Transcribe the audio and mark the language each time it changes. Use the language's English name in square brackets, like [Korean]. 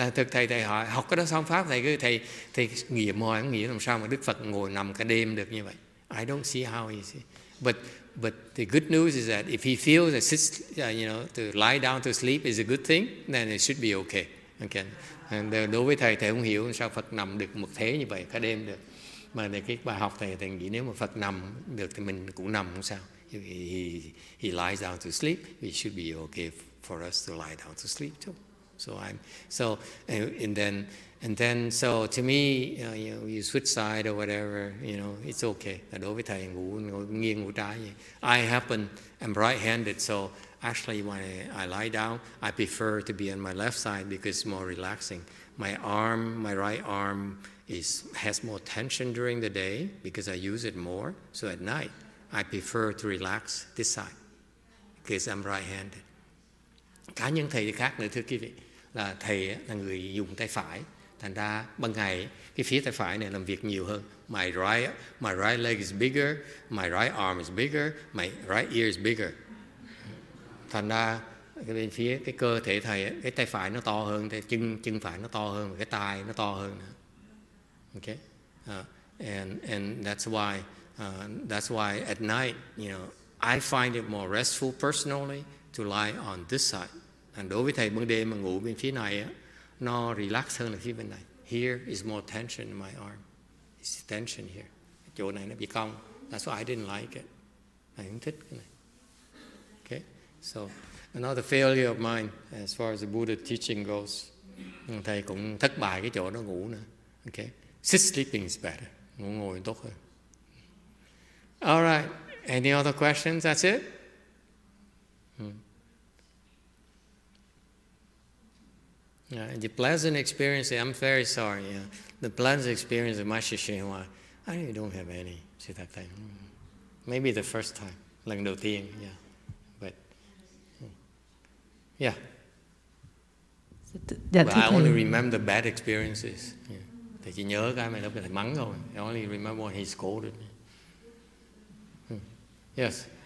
[Vietnamese] Thầy hỏi học cái đó xong pháp thầy nghĩ mọi nghĩ làm sao mà Đức Phật ngồi nằm cả đêm được như vậy. [English] I don't see how he see. But the good news is that if he feels that sits, you know, to lie down to sleep is a good thing, then it should be okay. Okay. [Vietnamese] And đối với thầy không hiểu sao Phật nằm được một thế như vậy cả đêm được. Mà để cái bài học thầy nghĩ nếu mà Phật nằm được thì mình cũng nằm không sao. [English] He lies down to sleep, it should be okay for us to lie down to sleep too. So to me, you switch side or whatever, you know, it's okay. [Vietnamese] Đối với thầy ngủ nghiêng ngủ trái. [English] I'm right-handed, so actually when I lie down, I prefer to be on my left side because it's more relaxing. My right arm has more tension during the day because I use it more. So at night, I prefer to relax this side because I'm right-handed. [Vietnamese] Cá nhân thầy thì khác nữa thưa quý vị. Là thầy là người dùng tay phải, thành ra ban ngày cái phía tay phải này làm việc nhiều hơn. [English] My right leg is bigger, my right arm is bigger, my right ear is bigger. [Vietnamese] Thành ra cái bên phía cái cơ thể thầy ấy, cái tay phải nó to hơn, chân phải nó to hơn, cái tay nó to hơn. [English] Okay, and that's why at night, you know, I find it more restful personally to lie on this side. [Vietnamese] And đối với thầy ban đêm mà ngủ bên phía này á, nó relax hơn là phía bên này. [English] Here is more tension in my arm. It's tension here. [Vietnamese] Chỗ này nó bị cong. [English] That's why I didn't like it. I [Vietnamese] không thích cái này. [English] Okay. So another failure of mine as far as the Buddha teaching goes. [Vietnamese] Thầy cũng thất bại cái chỗ nó ngủ nữa. [English] Okay. Sit sleeping is better. [Vietnamese] Ngủ ngồi tốt hơn. [English] All right. Any other questions? That's it. The pleasant experience, I'm very sorry. Yeah. The pleasant experience of Master Shenhua, I really don't have any. See that thing. Maybe the first time, [Vietnamese] lần đầu tiên, [English] yeah. But, yeah. I only remember the bad experiences. [Vietnamese] Thầy chỉ nhớ cái mà lúc thầy mắng rồi. [English] I only remember when he scolded me. Yes.